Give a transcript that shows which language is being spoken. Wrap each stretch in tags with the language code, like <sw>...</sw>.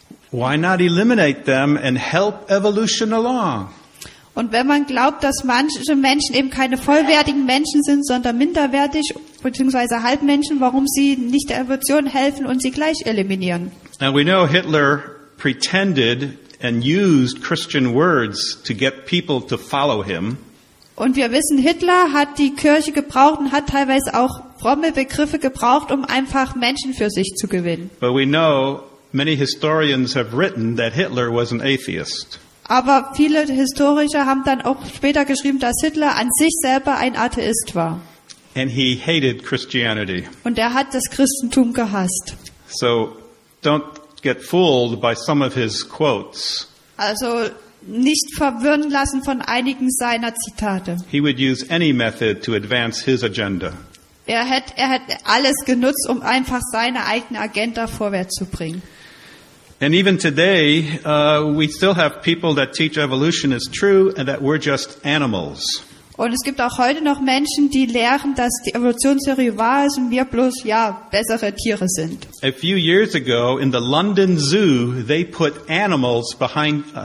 <en>Why not eliminate them and help evolution along?</en> <de>Und wenn man glaubt, dass manche Menschen eben keine vollwertigen Menschen sind, sondern minderwertig bzw. Halbmenschen, warum sie nicht der Evolution helfen und sie gleich eliminieren?</de> <en>Now we know Hitler pretended and used Christian words to get people to follow him.</en> <de>Und wir wissen, Hitler hat die Kirche gebraucht und hat teilweise auch fromme Begriffe gebraucht, um einfach Menschen für sich zu gewinnen.</de> <en>But we know many historians have written that Hitler was an atheist.</en> <de>Aber viele Historiker haben dann auch später geschrieben, dass Hitler an sich selber ein Atheist war.</de> <en>And he hated Christianity.</en> <de>Und er hat das Christentum gehasst.</de> <en>So don't get fooled by some of his quotes.</en> <de>Also nicht verwirren lassen von einigen seiner Zitate.</de> <en>He would use any method to advance his agenda.</en> <de>Er hat alles genutzt, um einfach seine eigene Agenda vorwärts zu bringen.</de> <en>And even today, we still have people that teach evolution is true and that we're just animals.</en> <de>Und es gibt auch heute noch Menschen, die lehren, dass die Evolutionstheorie wahr ist und wir bloß ja bessere Tiere sind.</de> <en>A few years ago in the London Zoo, they put animals behind.</en>